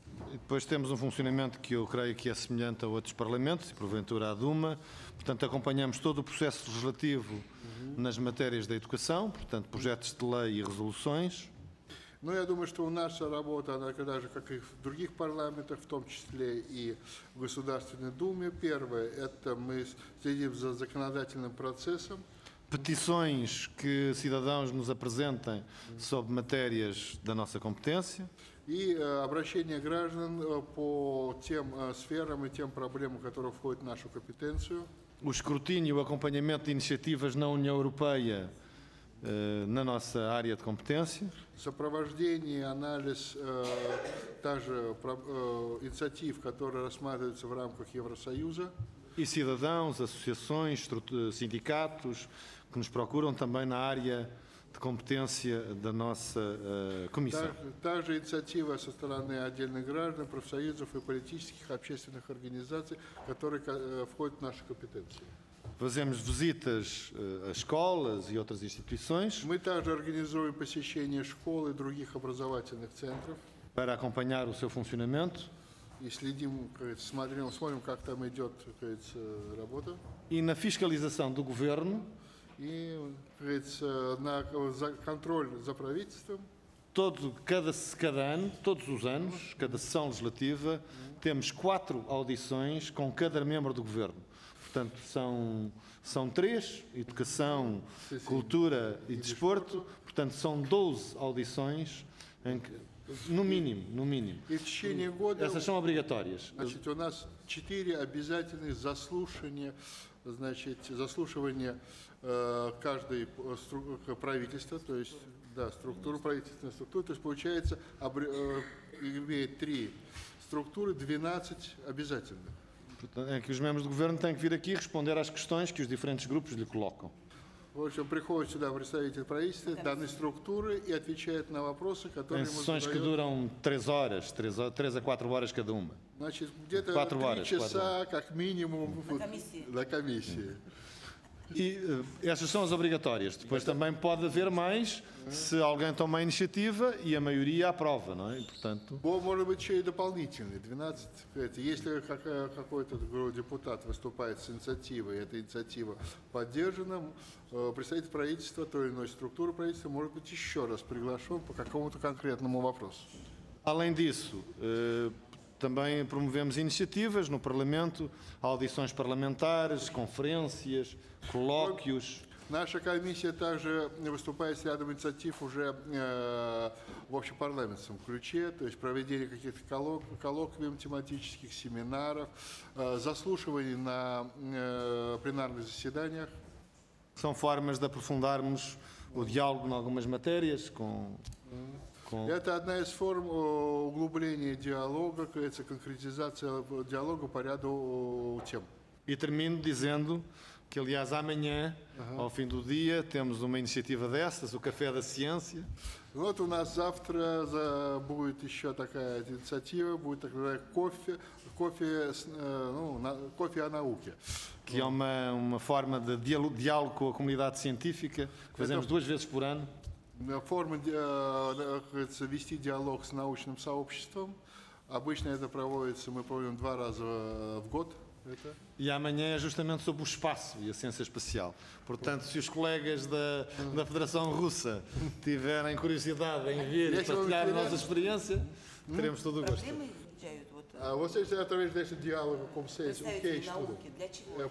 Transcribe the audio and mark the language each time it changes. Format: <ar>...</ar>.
<pt>E depois temos funcionamento que eu creio que é semelhante a outros parlamentos, e porventura à Duma. Portanto, acompanhamos todo o processo legislativo nas matérias da educação, portanto, projetos de lei e resoluções.</pt> <ru>Ну, я думаю, что у нас работа, она такая же, как и в других парламентах, в том числе и в Государственной Думе. Первое, это мы следим за законодательным процессом.</ru> <pt>Petições que cidadãos nos apresentem sobre matérias da nossa competência.</pt> <ru>И обращение граждан по тем сферам и тем проблемам, которые входят в нашу компетенцию.</ru> <pt>O escrutínio e o acompanhamento de iniciativas na União Europeia на наша área de competência.</pt> <ru>Сопровождение, анализ также инициатив, которые рассматриваются в рамках Евросоюза.</ru> <pt>И cidadãos, associações, sindicatos que nos procuram também na área de competência da nossa comissão.</pt> <ru>Также инициатива со стороны отдельных граждан, профсоюзов и политических общественных организаций, которые входят в наши компетенции.</ru> <pt>Fazemos visitas às escolas e outras instituições.</pt> <ru>Мы также организуем посещение школ и других образовательных центров.</ru> <pt>Para acompanhar o seu funcionamento.</pt> <ru>e следим, смотрим, смотрим, как там идет, кажется, работа.</ru> <pt>E na fiscalização do governo.</pt> <ru>E, кажется, на контроль за правительством.</ru> <pt>Todo, cada ano, todos os anos, cada sessão legislativa, temos quatro audições com cada membro do governo. Portanto, são três, educação, cultura e desporto. Portanto, são 12 audições, em que, no mínimo. Essas são obrigatórias.</pt> <ru>У нас четыре обязательных заслушания, значит, заслушивание каждой правительства, то есть... Да, структура, правительственная структура. То есть, получается, имеет три структуры, 12 обязательно.</ru> <pt>Que os membros do governo têm que vir aqui responder às questões que os diferentes grupos lhe colocam.</pt> <ru>В общем, приходит сюда представитель правительства, данной структуры, и отвечает на вопросы, которые...</ru> <pt>Em sessões que duram 3 horas, 3 a 4 horas cada uma.</pt> <ru>Значит, где-то 3 часа, как минимум, на комиссии.</ru> <pt>E essas são as obrigatórias. Depois também pode haver mais se alguém toma a iniciativa e a maioria aprova, não é? E, portanto...</pt> <ru>Bom, может быть, еще и дополнительные. 12, если какой-то депутат выступает с инициативой, и эта инициатива поддержана, представитель правительства, той или иной структуры правительства, может быть, еще раз приглашен по какому-то конкретному вопросу.</ru> <pt>Além disso, também promovemos iniciativas no Parlamento, audições parlamentares, conferências, colóquios.</pt> <ru>Наша комиссия также выступает с рядом инициатив уже в общепарламентском ключе, то есть проведение каких-то коллоквиум, тематических семинаров, заслушивание на пленарных заседаниях.</ru> <pt>São formas de aprofundarmos o diálogo em algumas matérias com...</pt> <ru>Это одна из форм углубления диалога, кажется, конкретизация диалога по ряду тем.</ru> <pt>И termino dizendo que, aliás, amanhã, ao fim do dia, temos uma iniciativa dessas, o Café da Ciência.</pt> <ru>Вот у нас завтра будет еще такая инициатива, будет так называемый кофе о науке.</ru> <pt>Que é uma forma de diálogo com a comunidade científica, que fazemos duas vezes por ano.</pt> <ru>Формы вести диалог с научным сообществом. Обычно это проводится, мы проводим два раза в год.</ru> <pt>И amanhã é justamente sobre o espaço e a ciência espacial. Portanto, se os colegas da Federação Russa tiverem curiosidade em vir e partilhar a nossa experiência, teremos todo o gosto. Vocês, através deste diálogo, como vocês, o que é isto?</pt>